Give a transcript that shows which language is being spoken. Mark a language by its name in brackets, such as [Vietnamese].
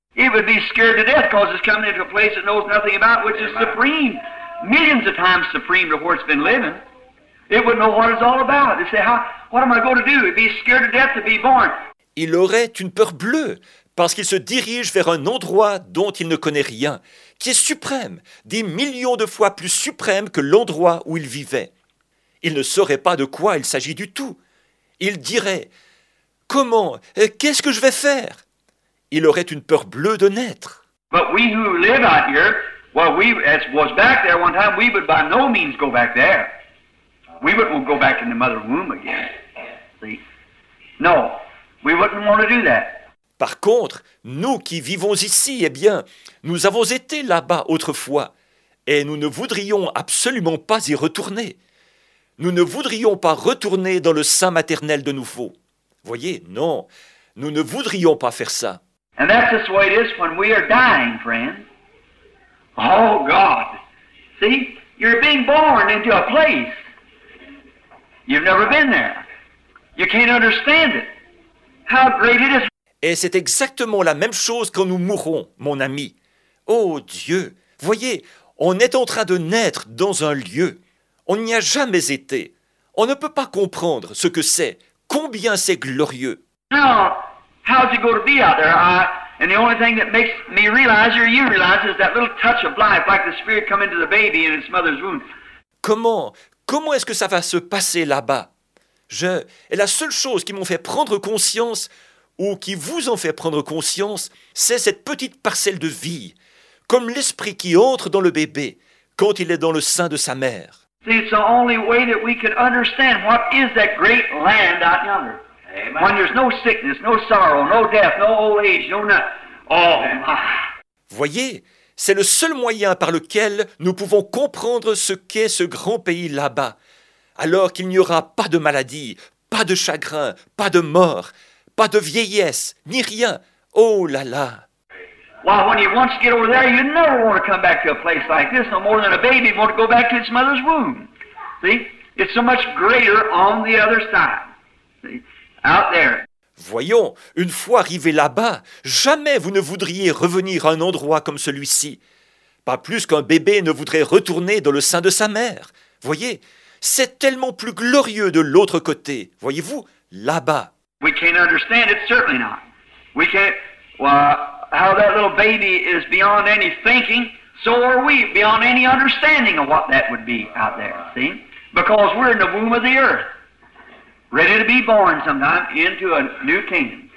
[English] He would be scared to death because it's coming into a place it knows nothing about, which is supreme, millions of times supreme to where it's been living. It would know what it's all about. It'd say, what am I going to do? He'd be scared to death to be born. [French] Il aurait une peur bleue parce qu'il se dirige vers un endroit dont il ne connaît rien, qui est suprême, des millions de fois plus suprême que l'endroit où il vivait. Il ne saurait pas de quoi il s'agit du tout. Il dirait, comment, qu'est-ce que je vais faire? Il aurait une peur bleue de naître. [English] But we who live out here, well, we as was back there one time, we would by no means go back there. We wouldn't go back in the mother womb again. See? No, we wouldn't want to do that. [French] Par contre, nous qui vivons ici, eh bien, nous avons été là-bas autrefois et nous ne voudrions absolument pas y retourner. Nous ne voudrions pas retourner dans le sein maternel de nouveau. Voyez, non, nous ne voudrions pas faire ça. [English] And that's just the way it is when we are dying, friend. Oh, God. See, you're being born into a place. You've never been there. You can't understand it. How great it is. [French] Et c'est exactement la même chose quand nous mourons, mon ami. Oh Dieu, voyez, on est en train de naître dans un lieu. On n'y a jamais été. On ne peut pas comprendre ce que c'est, combien c'est glorieux. [English] Now, how's it going to be out there? And the only thing that makes me realize, or you realize, is that little touch of life, like the spirit come into the baby in its mother's womb. [French] Comment est-ce que ça va se passer là-bas? Et la seule chose qui m'ont fait prendre conscience, ou qui vous en fait prendre conscience, c'est cette petite parcelle de vie, comme l'esprit qui entre dans le bébé quand il est dans le sein de sa mère. [English] See, it's the only way that we can understand what is that great land out yonder. Amen. When there's no sickness, no sorrow, no death, no old age, no nothing. Oh, my. [French] Voyez, c'est le seul moyen par lequel nous pouvons comprendre ce qu'est ce grand pays là-bas, alors qu'il n'y aura pas de maladie, pas de chagrin, pas de mort, pas de vieillesse, ni rien. Oh là là. [English] Well, when you once get over there, you never want to come back to a place like this, no more than a baby want to go back to its mother's womb. See? It's so much greater on the other side. See? Out there. [French] Voyons, une fois arrivé là-bas, jamais vous ne voudriez revenir à un endroit comme celui-ci. Pas plus qu'un bébé ne voudrait retourner dans le sein de sa mère. Voyez, c'est tellement plus glorieux de l'autre côté, voyez-vous, là-bas. [English] We can't understand it, certainly not. We can't, well, how that little baby is beyond any thinking, so are we beyond any understanding of what that would be out there, see? Because we're in the womb of the earth. Ready to be born sometime into a new kingdom.